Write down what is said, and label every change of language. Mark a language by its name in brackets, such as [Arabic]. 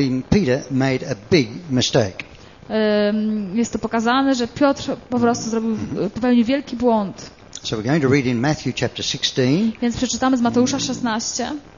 [English] Peter made a big mistake. [Polish] Jest to pokazane, że Piotr po prostu zrobił, popełnił wielki błąd. [English] So we're going to read in Matthew chapter 16. [Polish] Więc przeczytamy z Mateusza 16.